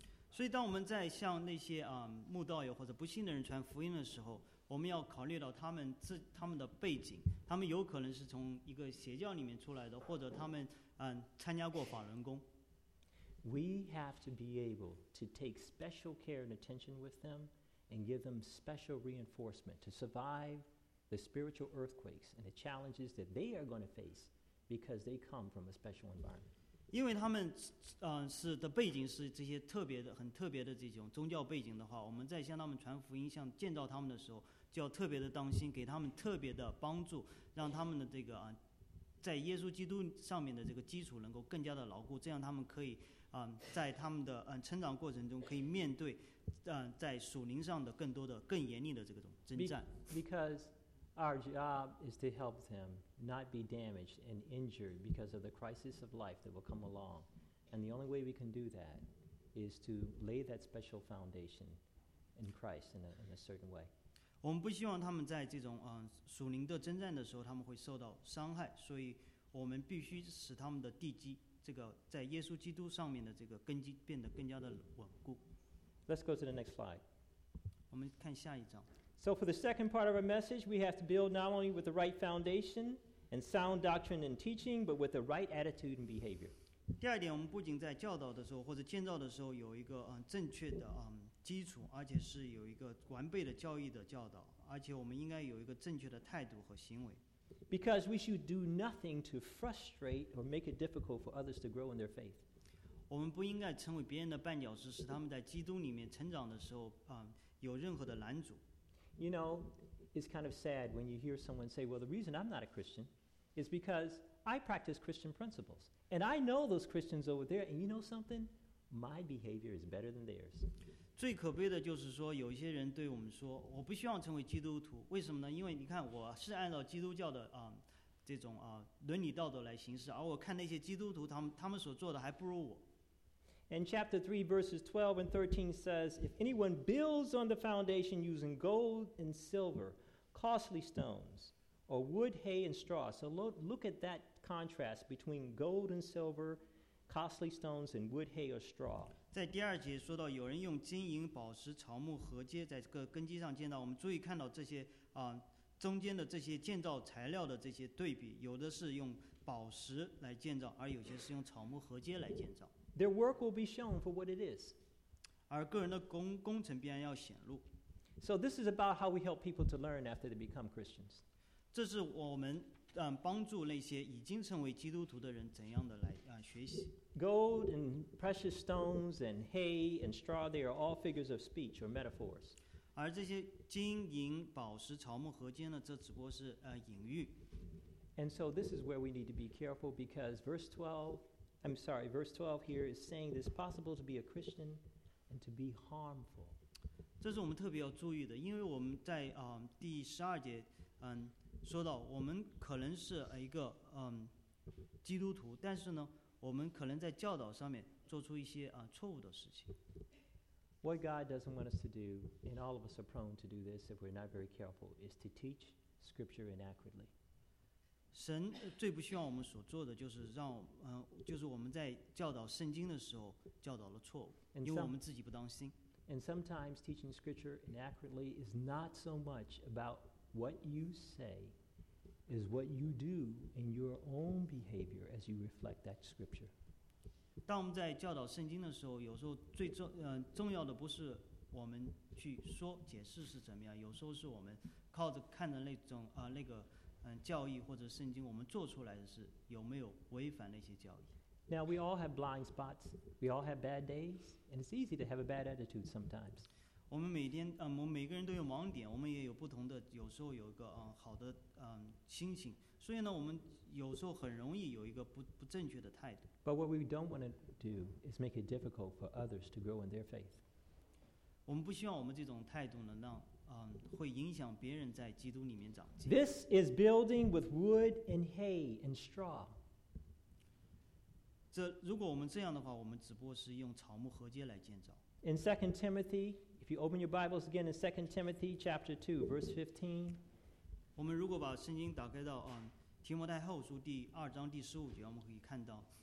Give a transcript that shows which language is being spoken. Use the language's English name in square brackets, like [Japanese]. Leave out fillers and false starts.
[Chinese] 所以当我们在向那些慕道友或者不信的人传福音的时候，我们要考虑到他们的背景，他们有可能是从一个邪教里面出来的，或者他们参加过法轮功。 [English] We have to be able to take special care and attention with them, and give them special reinforcement to survive the spiritual earthquakes and the challenges that they are going to face because they come from a special environment. [Chinese] 因为他们是的背景是这些特别的很特别的这种宗教背景的话，我们在向他们传福音向建造他们的时候就要特别的当心，给他们特别的帮助，让他们的这个在耶稣基督上面的这个基础能够更加的牢固，这样他们可以在他们的成长过程中可以面对在属灵上的更多的更严厉的这个征战。 [English] Because Our job is to help them not be damaged and injured because of the crisis of life that will come along. And the only way we can do that is to lay that special foundation in Christ in a certain way. [Chinese] 我们不希望他们在这种属灵的征战的时候他们会受到伤害，所以我们必须使他们的地基，这个在耶稣基督上面的这个根基变得更加的稳固。 [English] Let's go to the next slide. [Chinese] 我们看下一章。 [English] So for the second part of our message, we have to build not only with the right foundation and sound doctrine and teaching, but with the right attitude and behavior. [Chinese] 第二点，我们不仅在教导的时候或者建造的时候有一个正确的基础，而且是有一个完备的教义的教导，而且我们应该有一个正确的态度和行为。 [English] Because we should do nothing to frustrate or make it difficult for others to grow in their faith. [Chinese] 我们不应该成为别人的绊脚石，使他们在基督里面成长的时候有任何的拦阻。 [English] You know, it's kind of sad when you hear someone say, well, the reason I'm not a Christian is because I practice Christian principles. And I know those Christians over there, and you know something? My behavior is better than theirs. [Chinese] 最可悲的就是说，有些人对我们说，我不希望成为基督徒，为什么呢？因为你看，我是按照基督教的这种伦理道德来行事，而我看那些基督徒，他们所做的还不如我。 [English] And chapter 3, verses 12 and 13 says, if anyone builds on the foundation using gold and silver, costly stones, or wood, hay, and straw. So look at that contrast between gold and silver, costly stones, and wood, hay, or straw. [Chinese] 在第二节说到有人用金银宝石草木禾秸在这个根基上建造，我们注意看到这些中间的这些建造材料的这些对比，有的是用宝石来建造，而有些是用草木禾秸来建造。 [English] Their work will be shown for what it is. [Chinese] 而个人的工程必然要显露。 [English] So this is about how we help people to learn after they become Christians. [Chinese] 这是我们帮助那些已经成为基督徒的人怎样的来学习。 [English] Gold and precious stones and hay and straw, they are all figures of speech or metaphors. [Chinese] 而这些金银宝石草木禾秸呢，这只不过是隐喻。 [English] And so this is where we need to be careful because verse 12 here is saying it's possible to be a Christian and to be harmful. [Chinese] 这是我们特别要注意的，因为我们在第十二节说到我们可能是一个基督徒，但是呢，我们可能在教导上面做出一些错误的事情。 [English] What God doesn't want us to do, and all of us are prone to do this if we're not very careful, is to teach Scripture inaccurately. [Chinese] 神最不希望我们所做的就是让就是我们在教导圣经的时候教导了错误，因为我们自己不当心。 [English] And sometimes teaching Scripture inaccurately is not so much about what you say is what you do in your own behavior as you reflect that scripture. [Chinese] 当我们在教导圣经的时候，有时候最重要的不是我们去说解释是怎么样，有时候是我们靠着看着那种教义或者圣经，我们做出来的是有没有违反那些教义。 [English] Now we all have blind spots. We all have bad days, and it's easy to have a bad attitude sometimes. [Chinese] 我们每天我们每个人都有盲点，我们也有不同的，有时候有一个好的心情，所以呢，我们有时候很容易有一个不正确的态度。 [English] But what we don't want to do is make it difficult for others to grow in their faith. [Chinese] 我们不希望我们这种态度呢，会影响别人在基督里面长进。 [English] This is building with wood and hay and straw. [Chinese] 这如果我们这样的话，我们只不过是用草木禾秸来建造。 [English] In 2 Timothy, if you open your Bibles again in 2 Timothy chapter 2, verse 15. [Chinese] 我们如果把圣经打开到提摩太后书第二章第十五节，我们可以看到。